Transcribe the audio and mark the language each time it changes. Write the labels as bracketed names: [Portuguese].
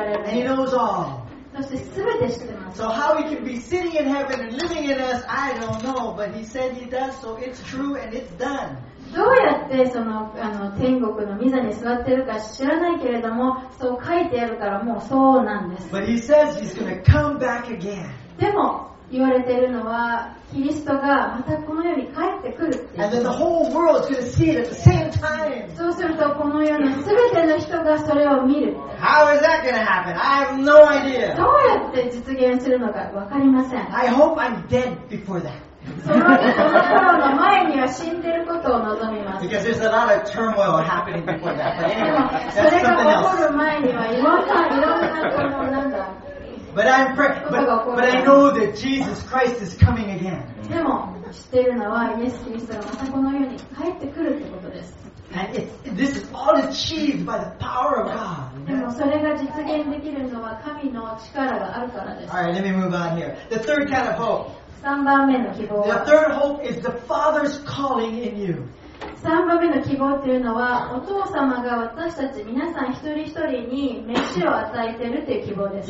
[English] He knows all. So how he can be sitting in heaven and living in us, I don't know. But he said he does, so it's true and it's done. [Japanese] どうやってその天国の御座に座ってるか知らないけれども、そう書いてあるからもうそうなんです。 [English] But he says he's going to come back again. [Japanese] でも言われているのはキリストがまたこの世に帰ってくるっていう。 [English] And then the whole world is going to see it at the same time. [Japanese] そうするとこの世のすべての人がそれを見る。 [English] How is that going to happen? I have no idea. [Japanese] どうやって実現するのかわかりません。 [English] I hope I'm dead before that. [Japanese] その頃の前には死んでることを望みます。 [English] Because there's a lot of turmoil happening before that. But anyway, [Japanese] それが起こる前にはいろんなこのなんだ。 [English] But I know that Jesus Christ is coming again. [Japanese] でも知っているのはイエス・キリストがまたこの世に帰ってくるってことです。 [English] And this is all achieved by the power of God. [Japanese] でもそれが実現できるのは神の力があるからです。 [English] All right, let me move on here. The third kind of hope. [Japanese] 3番目の希望は。 [English] The third hope is the Father's calling in you. [Japanese] 3番目の希望というのはお父様が私たち皆さん一人一人に飯を与えているという希望です。